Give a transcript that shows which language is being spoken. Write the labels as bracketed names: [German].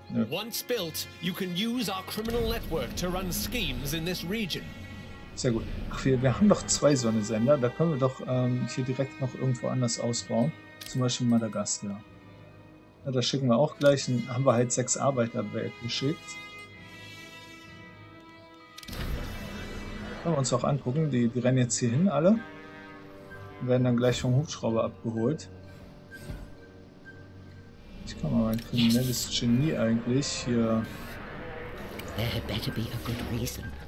[English] Once built, you can use our criminal network to run schemes in this region. [German] Sehr gut. Ach, wir haben doch 2 Sonnensender. Da können wir doch hier direkt noch irgendwo anders ausbauen. Zum Beispiel Madagaskar. Ja, da schicken wir auch gleich. Haben wir halt 6 Arbeiter weggeschickt. Können wir uns auch angucken. Die rennen jetzt hier hin, alle. Werden dann gleich vom Hubschrauber abgeholt. Ich kann mal mein kriminelles Genie eigentlich hier. [English] There better be a good reason.